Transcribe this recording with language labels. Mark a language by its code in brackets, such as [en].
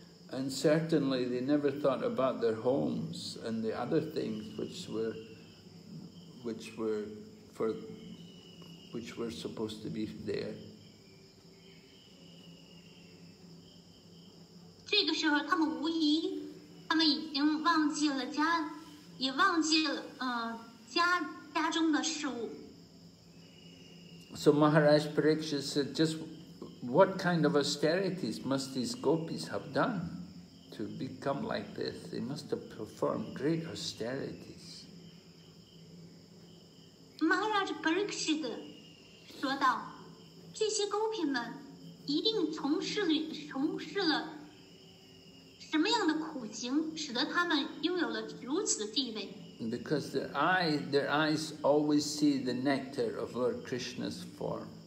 [en] And certainly they never thought about their homes and the other things which were supposed to be there. [zh] 这个时候他们无疑他们已经忘记了家也忘记了家中的事物。 [en] So Maharaj Pariksit said, just what kind of austerities must these gopis have done to become like this? They must have performed great austerities. [zh] 是的，说道，这些勾品们一定从事了什么样的苦行，使得他们拥有了如此的地位。 [en] Because their eyes always see the nectar of Lord Krishna's form.